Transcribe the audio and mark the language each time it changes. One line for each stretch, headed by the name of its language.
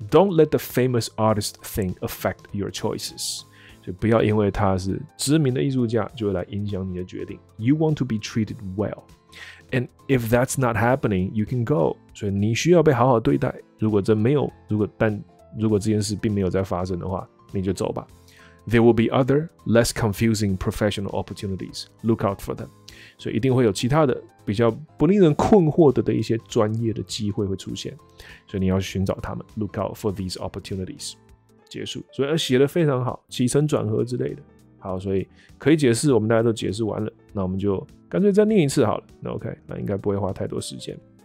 English: Don't let the famous artist thing affect your choices。
Chinese: 所以不要因为他是知名的艺术家，就会来影响你的决定。
English: You want to be treated well。 And if that's not happening, you can go.
Chinese: 所以你需要被好好对待。如果这没有，如果但如果这件事并没有再发生的话，你就走吧。
English: There will be other, less confusing professional opportunities. Look out for them.
Chinese: 所以一定会有其他的比较不令人困惑 的一些专业的机会会出现。所以你要寻找他们。
English: Look out for these opportunities.
Chinese: 结束。所以写得非常好，起承转合之类的。好，所以可以解释，我们大家都解释完了，那我们就干脆再念一次好了。那 OK， 那应该不会花太多时间。